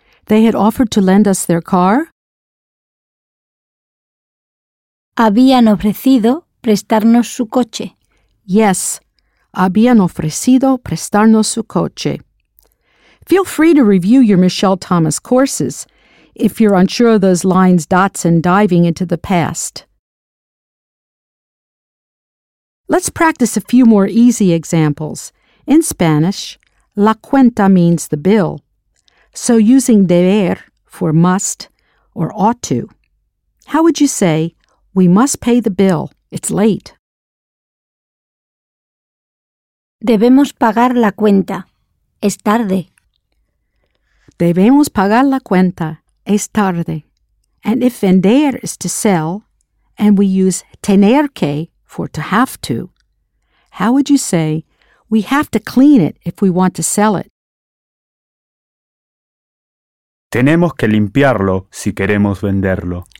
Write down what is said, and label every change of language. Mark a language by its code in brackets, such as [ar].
[en] They had offered to lend us their car. [es] Habían ofrecido prestarnos su coche. [en] Yes, [es] habían ofrecido prestarnos su coche. [en] Feel free to review your Michelle Thomas courses if you're unsure of those lines, dots, and diving into the past. Let's practice a few more easy examples. In Spanish, la cuenta means the bill. So using deber for must or ought to, how would you say, we must pay the bill, it's late? [es] Debemos pagar la cuenta, es tarde. Debemos pagar la cuenta. Es tarde. [en] And if vender is to sell, and we use tener que for to have to, how would you say, we have to clean it if we want to sell it? [es] Tenemos que limpiarlo si queremos venderlo.